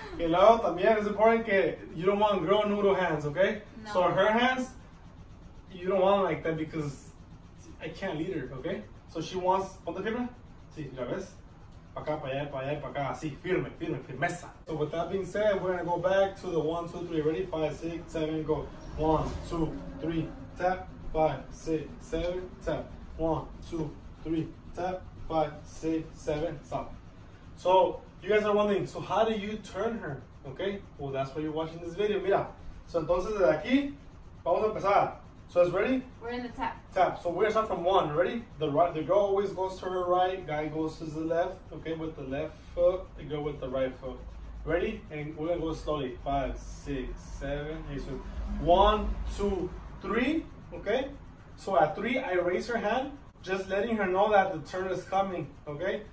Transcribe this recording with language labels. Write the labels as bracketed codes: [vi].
[es] Y luego también es [en] important [es] que [en] you don't want girl noodle hands, okay? No. So her hands, you don't want them like that because I can't lead her, okay? So she wants. [es] Ponte firme. Sí, ya ves. Pa acá, pa allá, así, firmeza. [en] So with that being said, we're gonna go back to the 1, 2, 3. Ready? 5, 6, 7, go. 1, 2, 3, tap. 5, 6, 7, tap. 1, 2, 3, tap. 5, 6, 7, stop. So, you guys are wondering, so how do you turn her? Okay? Well, that's why you're watching this video. [es] Mira. [en] So, [es] entonces, desde aquí, vamos a empezar. [en] So, it's ready? We're in the tap. Tap. So, we're going to start from one. Ready? The right, the girl always goes to her right. Guy goes to the left. Okay? With the left foot. The girl with the right foot. Ready? And we're going to go slowly. 5, 6, 7, 8. So, 1, 2, 3. Okay, so at three, I raise her hand, just letting her know that the turn is coming, okay?